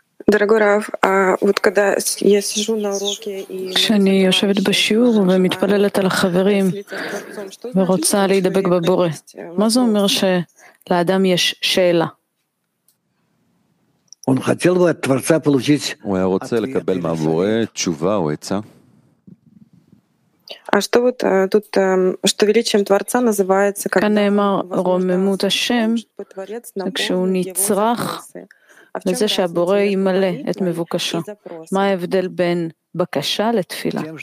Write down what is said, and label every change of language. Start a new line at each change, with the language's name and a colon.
Russian: Дорогой Рав, а вот когда я сижу на уроке и
Hebrew: כשאני יושבת בשיעור ומתפללת על החברים ורוצה להידבק בבורא, מה זה אומר שלאדם יש שאלה?
Russian: Он хотел бы от творца получить.
Hebrew: הוא היה רוצה לקבל מהבורא תשובה או עצה.
Russian: А что вот тут что величием творца называется, как
Hebrew: נאמר רוממות השם, כשהוא נצרח וזה שהבורא ימלא את מבוקשו. מה ההבדל בין בקשה לתפילה?